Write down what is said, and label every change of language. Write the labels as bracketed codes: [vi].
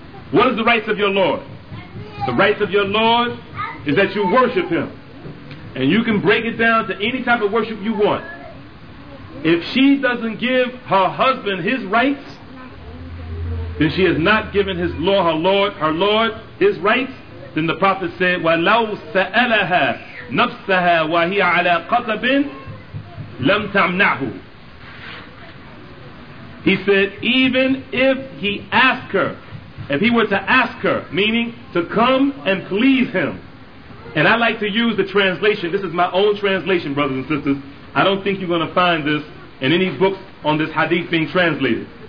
[en] What is the rights of your Lord? The rights of your Lord is that you worship him. And you can break it down to any type of worship you want. If she doesn't give her husband his rights, then she has not given his Lord, her Lord his rights. Then the Prophet said, [ar] وَلَوْ سَأَلَهَا نَفْسَهَا وَهِيَ عَلَىٰ قَطَبٍ لَمْ تَعْمْنَعْهُ. [en] He said, even if he asked her, if he were to ask her, meaning to come and please him. And I like to use the translation. This is my own translation, brothers and sisters. I don't think you're going to find this in any books on this hadith being translated.